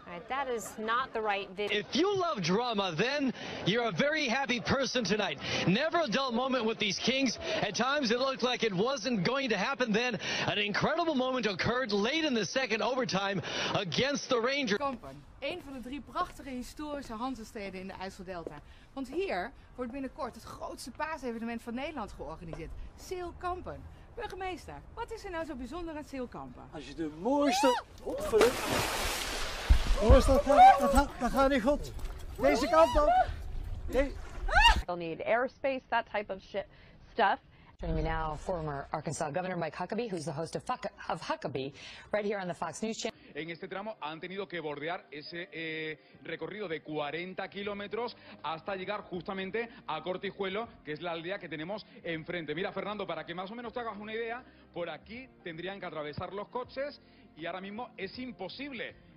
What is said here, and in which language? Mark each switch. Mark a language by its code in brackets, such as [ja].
[en] That is not the right video. If you love drama, then you're a very happy person tonight. Never a dull moment with these Kings. At times, it looked like it wasn't going to happen. Then an incredible moment occurred late in the second overtime against the Rangers. [nl] Kampen, een van de drie prachtige historische Hansesteden in de IJsseldelta. Want hier wordt binnenkort het grootste paasevenement van Nederland georganiseerd. Seal Kampen. Burgemeester, wat is er nou zo bijzonder aan Seal Kampen? Als je de mooiste... Hoe is dat? Dat gaat niet goed. Deze kant op. [en] They'll need airspace, that type of shit stuff. Joining me now, former Arkansas Governor Mike Huckabee, who's the host of Huckabee, right here on the Fox News Channel. [es] En este tramo han tenido que bordear ese recorrido de 40 kilómetros hasta llegar justamente a Cortijuelo, que es la aldea que tenemos enfrente. Mira, Fernando, para que más o menos te hagas una idea, por aquí tendrían que atravesar los coches y ahora mismo es imposible.